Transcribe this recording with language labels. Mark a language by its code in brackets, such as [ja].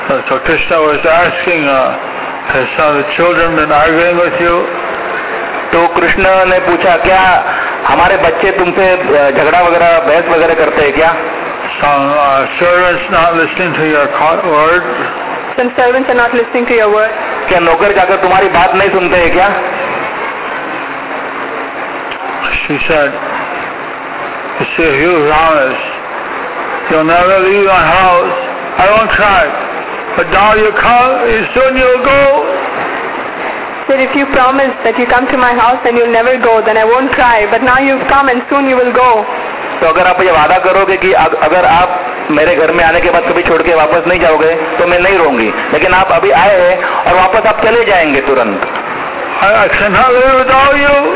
[en] So Krishna was asking his children been arguing with you. [hi] तो कृष्ण ने पूछा क्या हमारे बच्चे तुमसे झगड़ा वगैरह बहस वगैरह करते हैं क्या. [en] Some servants not listening to your word. Some servants are not listening to your word. [hi] क्या नौकर जाकर तुम्हारी बात नहीं सुनते हैं क्या. [en] She said, you see, if you promise you'll never leave my house, I won't cry. But now you come, soon you'll go. Said, if you promise that you come to my house and you'll never go, then I won't cry. But now you've come and soon you will go. [hi] तो अगर आप ये वादा करोगे कि अगर आप मेरे घर में आने के बाद कभी छोड़ के वापस नहीं जाओगे तो मैं नहीं रोऊंगी. लेकिन आप अभी आए हैं और वापस आप चले जाएंगे तुरंत. [en] I cannot live without you.